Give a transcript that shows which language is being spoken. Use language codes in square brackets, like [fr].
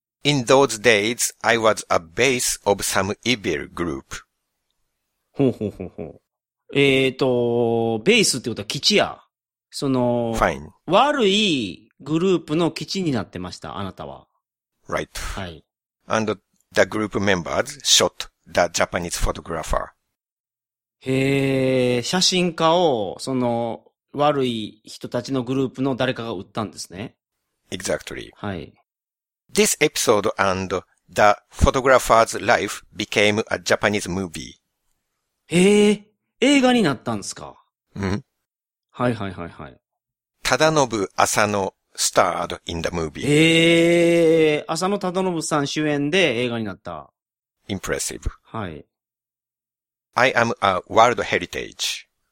[en] In those days, I was a base of some evil group. [ja] ほうほうほうほう。ベースってことは基地や。その、 [en] Fine. [ja] 悪いグループの基地になってました、あなたは。 [en] Right. [ja] はい。 [en] And the group members shot the Japanese photographer. [ja] へー、写真家を、その、悪い人たちのグループの誰かが撃ったんですね。 [en] Exactly. [ja] はい。 [en] This episode and the photographer's life became a Japanese movie. [ja] へー、映画になったんですか？うん。はいはいはいはい。 [en] ただのぶ浅野 starred in the movie. [ja] へー、浅野ただのぶさん主演で映画になった。 [en] Impressive. [ja] はい。 [en] I am a world heritage.